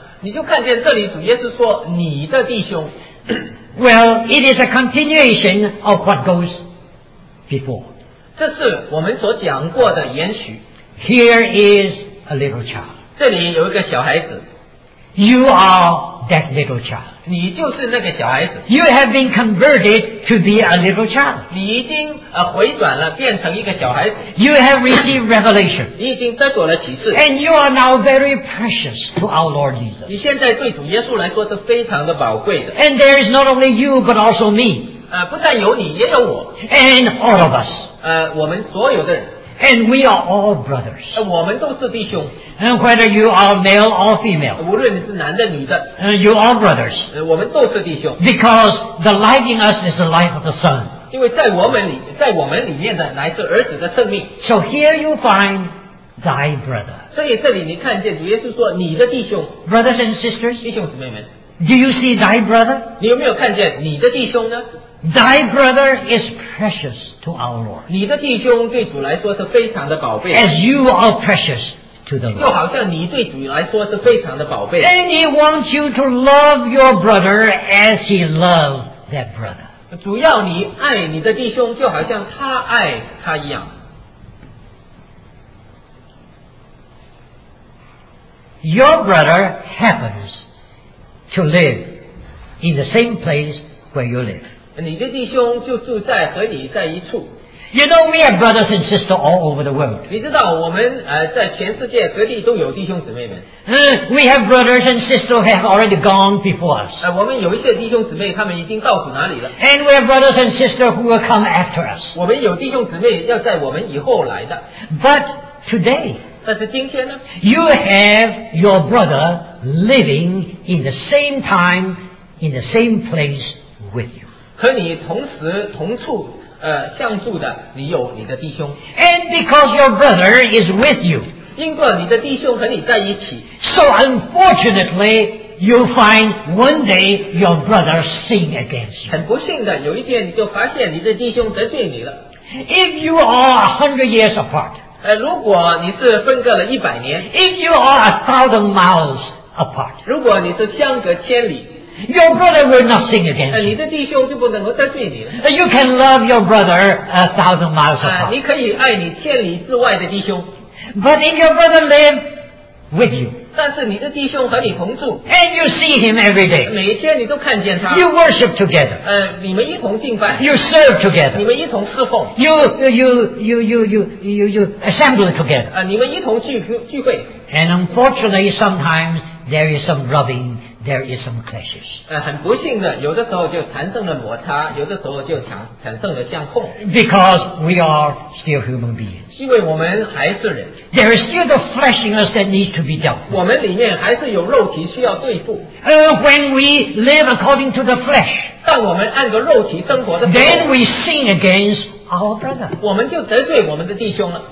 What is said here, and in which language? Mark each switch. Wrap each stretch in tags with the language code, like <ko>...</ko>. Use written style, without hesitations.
<zh>你就看见这里主耶稣说你的弟兄。</zh> <en>Well, it is a continuation of what goes before.</en> <zh>这是我们所讲过的延续。</zh> <en>Here is a little child.</en> <zh>这里有一个小孩子。</zh> <en>You are that little child.</en> <zh>你就是那个小孩子。</zh> <en>You have been converted to be a little child.</en> <zh>你已经回转了变成一个小孩子。</zh> <en>You have received revelation.</en> <zh>你已经得着了启示。</zh> <en>And you are now very precious to our Lord Jesus.</en> <zh>你现在对主耶稣来说是非常的宝贵的。</zh> <en>And there is not only you, but also me.</en> <zh>不但有你也有我。</zh> <en>And all of us.</en> <zh>我们所有的人。</zh> <en>And we are all brothers.</en> <zh>我们都是弟兄。</zh> <en>And whether you are male or female.</en> <zh>无论你是男的女的。</zh> <en>You are brothers.</en> <zh>我们都是弟兄。</zh> <en>Because the life in us is the life of the Son.</en> <zh>因为在我们里面的乃是儿子的生命。</zh> <en>So here you find thy brother.</en> <zh>所以这里你看见主耶稣说你的弟兄。</zh> <en>Brothers and sisters.</en> <zh>弟兄姊妹们。</zh> <en>Do you see thy brother?</en> <zh>你有没有看见你的弟兄呢？</zh> <en>Thy brother is precious to our Lord.</en> <zh>你的弟兄对主来说是非常的宝贝。</zh> <en>As you are precious to the Lord.</en> <zh>就好像你对主来说是非常的宝贝。</zh> <en>And he wants you to love your brother as he loved that brother.</en> <zh>主要你爱你的弟兄就好像他爱他一样。</zh> <en>Your brother happens to live in the same place where you live.</en> <zh>你的弟兄就住在和你在一处。</zh> <en>You know we have brothers and sisters all over the world.</en> <zh>你知道我们在全世界各地都有弟兄姊妹们。</zh> <en>We have brothers and sisters have already gone before us.</en> <zh>我们有一些弟兄姊妹他们已经到处哪里了。</zh> <en>And we have brothers and sisters who will come after us.</en> <zh>我们有弟兄姊妹要在我们以后来的。</zh> <en>But today,</en> <zh>但是今天呢</zh> <en>？You have your brother living in the same time, in the same place with you.</en> <zh>和你同时同处相住的，你有你的弟兄。</zh> <en>And because your brother is with you,</en> <zh>因为你的弟兄和你在一起</zh> <en>，so unfortunately. You find one day your brother sin against you.</en> <zh>很不幸的，有一天你就发现你的弟兄得罪你了。</zh> <en>If you are 100 years apart,</en> <zh>如果你是分隔了一百年。</zh> <en>If you are 1,000 miles apart,</en> <zh>如果你是相隔千里。</zh> <en>Your brother will not sin against you.</en> <zh>你的弟兄就不能够得罪你了。</zh> <en>You can love your brother 1,000 miles apart.</en> <zh>你可以爱你千里之外的弟兄。</zh> <en>But if your brother live with you.</en> <zh>但是你的弟兄和你同住</zh> <en>，and you see him every day，</en> <zh>每一天你都看见他</zh> <en>，you worship together，</en> <zh>你们一同敬拜</zh> <en>，you serve together，</en> <zh>你们一同侍奉</zh> <en>，you assemble together，</en> <zh>你们一同聚会</zh> <en>，and unfortunately sometimes there is some rubbing， there is some clashes，</en> <zh>很不幸的，有的时候就产生了摩擦，有的时候就产生了相控</zh> <en>，because we are still human beings。</en> <zh>因为我们还是人</zh> <en>There is still the flesh in us that needs to be dealt with.</en> <zh>我们里面还是有肉体需要对付</zh> <en>When we live according to the flesh,</en> <zh>当我们按着肉体生活的时候</zh> <en>Then we sin against our brother.</en> <zh>我们就得罪我们的弟兄了</zh>